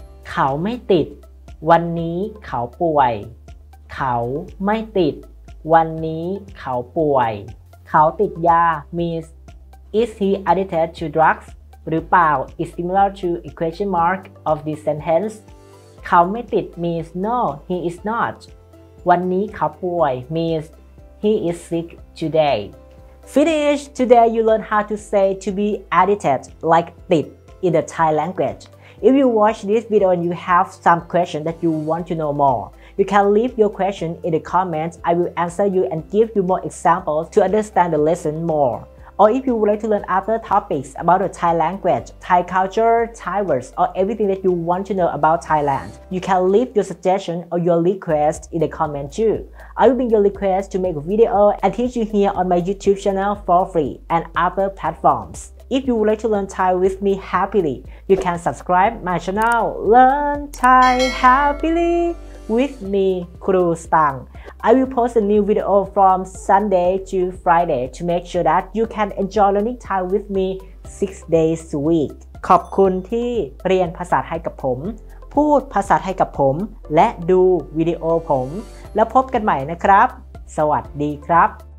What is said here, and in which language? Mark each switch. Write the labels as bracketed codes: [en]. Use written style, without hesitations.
[th] เขาไม่ติดวันนี้เขาป่วยเขาไม่ติดวันนี้เขาป่วยเขาติดยา [en] means is he addicted to drugs [th] หรือเปล่า [en] is similar to a question mark of this sentence [th] เขาไม่ติด [en] means no he is not [th] วันนี้เขาป่วย [en] means he is sick today finish today you learn how to say to be addicted like ติด in the Thai language if you watch this video and you have some question that you want to know more you can leave your question in the comments I will answer you and give you more examples to understand the lesson moreOr if you would like to learn other topics about the Thai language, Thai culture, Thai words, or everything that you want to know about Thailand, you can leave your suggestion or your request in the comment too. I will bring your request to make a video and teach you here on my YouTube channel for free and other platforms. If you would like to learn Thai with me happily, you can subscribe my channel, Learn Thai Happily with me, Kru Stang. I will post a new video from Sunday to Friday to make sure that you can enjoy learning Thai with me 6 days a week. [th] ขอบคุณที่เรียนภาษาไทยกับผมพูดภาษาไทยกับผมและดูวิดีโอผมแล้วพบกันใหม่นะครับสวัสดีครับ